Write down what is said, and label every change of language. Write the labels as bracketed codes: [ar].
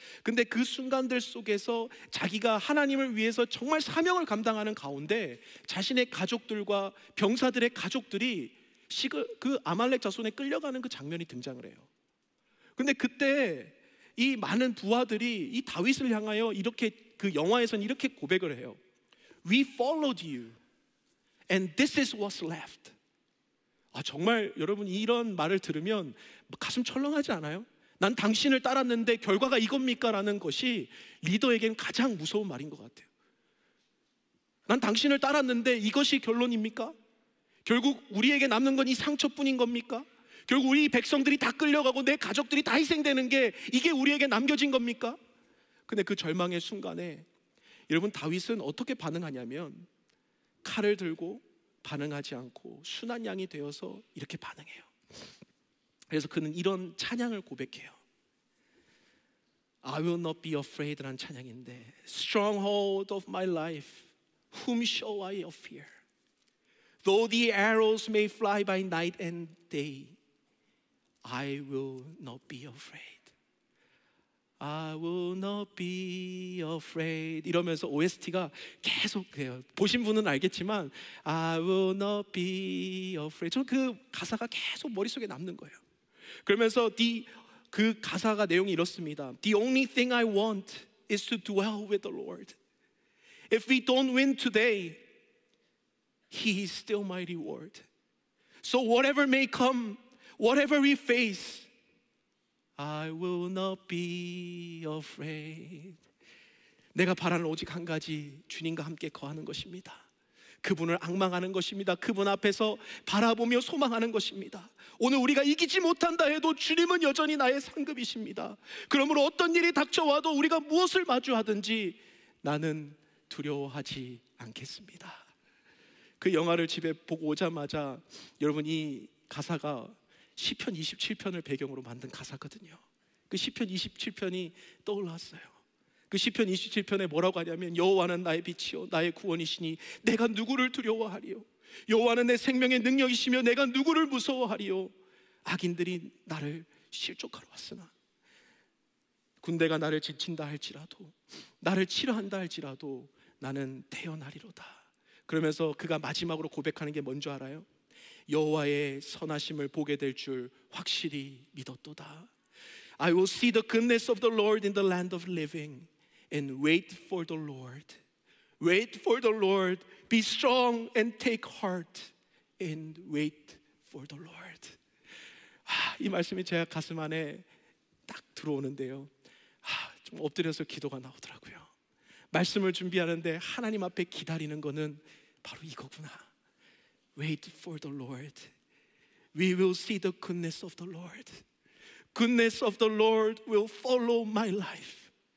[ko] 근데 그 순간들 속에서 자기가 하나님을 위해서 정말 사명을 감당하는 가운데 자신의 가족들과 병사들의 가족들이 그 아말렉 자손에 끌려가는 그 장면이 등장을 해요. 근데 그때 이 많은 부하들이 이 다윗을 향하여 이렇게 그 영화에서는 이렇게 고백을 해요. [en] We followed you and this is what's left. [ko] 정말 여러분 이런 말을 들으면 가슴 철렁하지 않아요? 난 당신을 따랐는데 결과가 이겁니까? 라는 것이 리더에겐 가장 무서운 말인 것 같아요. 난 당신을 따랐는데 이것이 결론입니까? 결국 우리에게 남는 건 이 상처뿐인 겁니까? 결국 우리 백성들이 다 끌려가고 내 가족들이 다 희생되는 게 이게 우리에게 남겨진 겁니까? 근데 그 절망의 순간에 여러분 다윗은 어떻게 반응하냐면 칼을 들고 반응하지 않고 순한 양이 되어서 이렇게 반응해요. 그래서 그는 이런 찬양을 고백해요. [en] I will not be afraid [ko] 란 찬양인데 [en] Stronghold of my life, whom shall I fear? Though the arrows may fly by night and day, I will not be afraid. I will not be afraid. [ko] 이러면서 OST가 계속돼요. 보신 분은 알겠지만 [en] I will not be afraid. [ko] 저는 그 가사가 계속 머릿속에 남는 거예요. 그러면서 그 가사가 내용이 이렇습니다. [en] The only thing I want is to dwell with the Lord. If we don't win today, He is still my reward. So whatever may come, whatever we face, I will not be afraid. [ko] 내가 바라는 오직 한 가지, 주님과 함께 거하는 것입니다. 그분을 앙망하는 것입니다. 그분 앞에서 바라보며 소망하는 것입니다. 오늘 우리가 이기지 못한다 해도 주님은 여전히 나의 상급이십니다. 그러므로 어떤 일이 닥쳐와도 우리가 무엇을 마주하든지 나는 두려워하지 않겠습니다. 그 영화를 집에 보고 오자마자 여러분 이 가사가 시편 27편을 배경으로 만든 가사거든요. 그 시편 27편이 떠올랐어요. 그 시편 27편에 뭐라고 하냐면 여호와는 나의 빛이요 나의 구원이시니 내가 누구를 두려워하리요. 여호와는 내 생명의 능력이시며 내가 누구를 무서워하리요. 악인들이 나를 실족하러 왔으나 군대가 나를 지친다 할지라도 나를 치료한다 할지라도 나는 태어나리로다. 그러면서 그가 마지막으로 고백하는 게 뭔 줄 알아요? 여호와의 선하심을 보게 될 줄 확실히 믿었도다. [en] I will see the goodness of the Lord in the land of living and wait for the Lord. Wait for the Lord. Be strong and take heart and wait for the Lord. [ko] 하, 이 말씀이 제 가슴 안에 딱 들어오는데요. 하, 좀 엎드려서 기도가 나오더라고요. 말씀을 준비하는데 하나님 앞에 기다리는 거는 바로 이거구나. [en] Wait for the Lord. We will see the goodness of the Lord. Goodness of the Lord will follow my life.